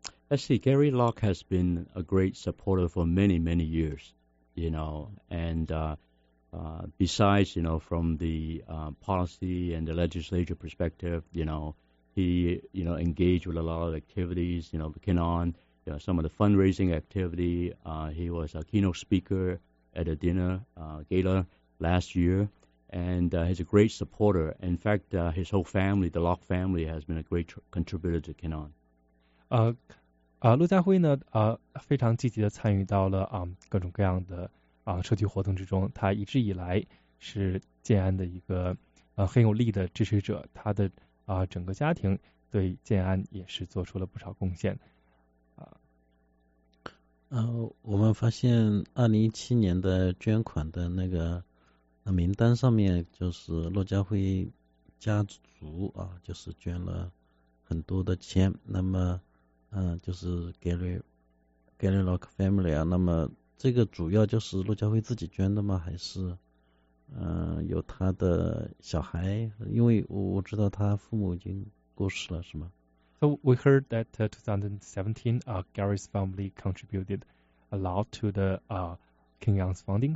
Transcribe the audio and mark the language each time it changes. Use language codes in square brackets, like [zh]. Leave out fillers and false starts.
[en] Actually, Gary Locke has been a great supporter for many, many years, you know, and besides, you know, from the policy and the legislature perspective, you know, he, you know, engaged with a lot of activities, you know, looking on, you know, some of the fundraising activity. He was a keynote speaker at a dinner gala last year, and he's a great supporter. In fact, his whole family, the Locke family, has been a great contributor to Kinon. [zh] 陆家辉呢非常积极地参与到了各种各样的社区活动之中，他一直以来是建安的一个很有力的支持者，他的整个家庭对建安也是做出了不少贡献。我们发现2017年的捐款的那个名单上面，就是骆家辉家族就是捐了很多的钱，那么就是 Gary Locke Family 啊，那么这个主要就是骆家辉自己捐的吗？还是有他的小孩？因为我知道他父母已经过世了，是吗？ [en] So we heard that 2017 Gary's family contributed a lot to the King Young's funding.